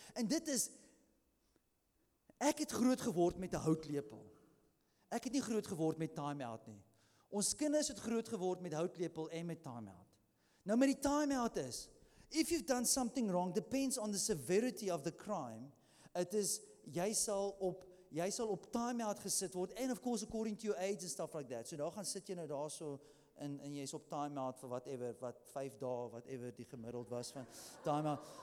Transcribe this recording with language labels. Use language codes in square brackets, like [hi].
[af] En dit is ek het groot geword met 'n houtlepel. Ek het nie groot geword met time-out nie. Ons kinders het groot geword met houtlepel en met time-out. Nou met die time-out is [en] if you've done something wrong depends on the severity of the crime. It is, [af] jy sal op time-out gesit word, [en] and of course, according to your age and stuff like that. [af] So daar gaan sit jy nou daar so, en jy is op time-out vir whatever, wat 5 dae, whatever die gemiddeld was van time-out.